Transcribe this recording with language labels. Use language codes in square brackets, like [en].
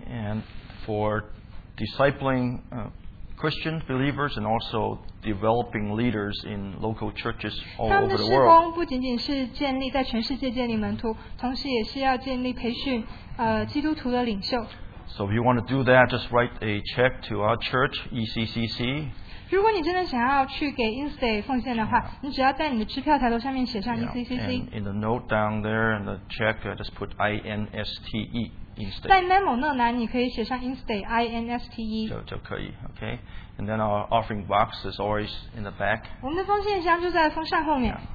[en] And for discipling Christian believers and also developing leaders in local churches all over the world. [zh] 他们的施工不仅仅是建立在全世界建立门徒，同时也是要建立培训基督徒的领袖。 [en] So if you want to do that, just write a check to our church, ECCC. [zh] 如果你真的想要去给InState奉献的话，你只要在你的支票台头上面写上ECCC. [en] And in the note down there in the check, just put INSTE. [zh] 在 memo 那栏，你可以写上InState INSTE 就可以 ，OK。 [en] And then our offering box is always in the back. [zh] 我们的奉献箱就在风扇后面。